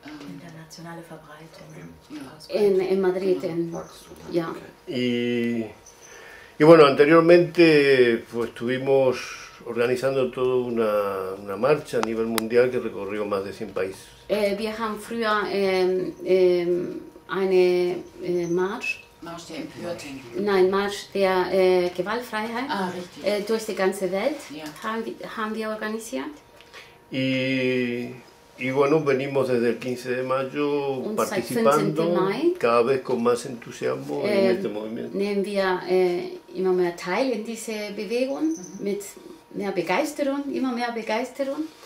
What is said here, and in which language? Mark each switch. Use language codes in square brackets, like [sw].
[de] Internationale Verbreitung. In Madrid, genau. Ja. [es] Y bueno, anteriormente pues estuvimos organizando toda una marcha a nivel mundial que recorrió más de 100 países. [de] Wir haben früher eine Marsch. Marsch der Empörten. Nein, Marsch der Gewaltfreiheit. Ah, richtig. Durch die ganze Welt haben wir organisiert. [es] Y bueno, venimos desde el 15 de mayo participando cada vez con más entusiasmo en este movimiento. [de] Nehmen wir immer mehr teil in diese Bewegung, mit mehr Begeisterung, immer mehr Begeisterung.